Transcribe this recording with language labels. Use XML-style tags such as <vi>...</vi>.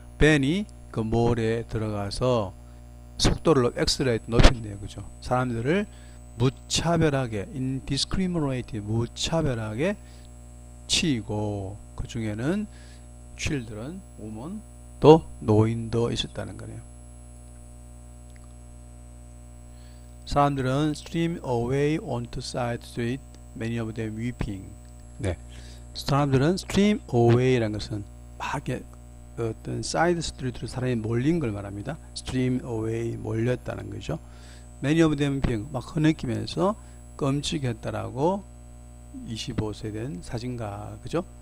<ko>Ben이 그 몰에 들어가서 속도를 accelerate 높였네요. 그죠? 사람들을 무차별하게, indiscriminate, 무차별하게 치고, 그 중에는 children, woman, 또 노인도 있었다는 거네요. 사람들은</ko> <en>stream away onto side street, many of them weeping.</en> <ko>네. 사람들은 stream away라는 것은 막 어떤 side street로 사람이 몰린 걸 말합니다. stream away 몰렸다는 거죠.</ko> <en>many of them weeping</en> <ko>막 흐느끼면서 끔찍했다라고 25세 된 사진가, 그죠?</ko>